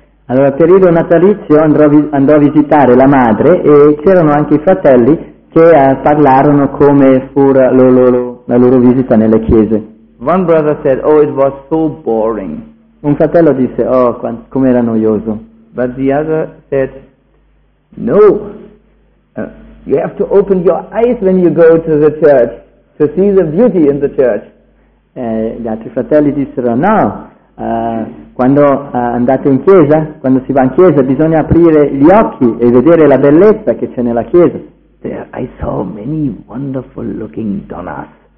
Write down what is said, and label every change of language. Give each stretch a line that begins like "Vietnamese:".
Italian: Allora, periodo natalizio andò a visitare la madre e c'erano anche i fratelli che parlarono come fu la loro visita nelle chiese.
English: One brother said, "Oh, it was so boring."
Italian: Un fratello disse, "Oh, com'era noioso."
English: But the other said, "No. You have to open your eyes when you go to the church to see the beauty in the church."
Italian: Gli altri fratelli dissero no, quando andate in chiesa, quando si va in chiesa bisogna aprire gli occhi e vedere la bellezza che c'è nella chiesa.
English: There I saw many wonderful looking donnas.